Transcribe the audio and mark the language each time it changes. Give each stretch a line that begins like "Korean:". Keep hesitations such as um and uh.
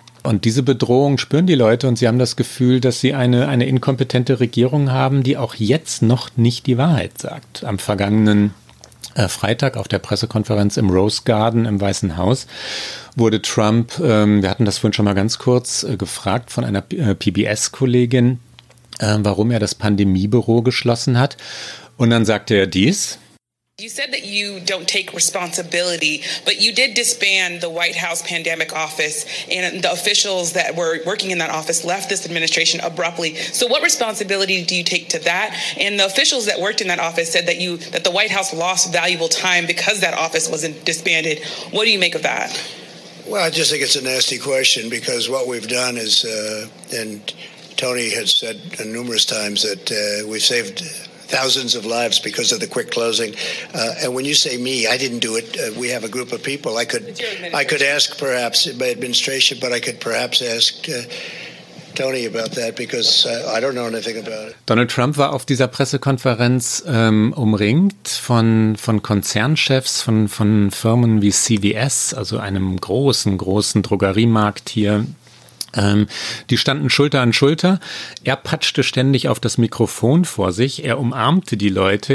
German: Und diese Bedrohung spüren die Leute und sie haben das Gefühl, dass sie eine, eine inkompetente Regierung haben, die auch jetzt noch nicht die Wahrheit sagt. Am vergangenen äh, Freitag auf der Pressekonferenz im Rose Garden im Weißen Haus wurde Trump, ähm, wir hatten das vorhin schon mal ganz kurz äh, gefragt von einer äh, PBS-Kollegin, warum er das Pandemiebüro geschlossen hat. Und dann sagte er dies.
English: You said that you don't take responsibility, but you did disband the White House pandemic office, and the officials that were working in that office left this administration abruptly. So, what responsibility do you take to that? And the officials that worked in that office said that you that the White House lost valuable time because that office wasn't disbanded. What do you make of that? Well, I just think it's a nasty question because what we've done is, uh, and Tony had said numerous times that uh, we've saved thousands of lives because of the quick closing. Uh, and when you say me, I didn't do it. Uh, we have a group of people. I could, I could ask perhaps my administration, but I could perhaps ask. Uh, Tony about that because I don't know anything about it.
German: Donald Trump war auf dieser Pressekonferenz ähm, umringt von, von Konzernchefs, von, von Firmen wie CVS, also einem großen, großen Drogeriemarkt hier die standen Schulter an Schulter. Er patschte ständig auf das Mikrofon vor sich. Er umarmte die Leute.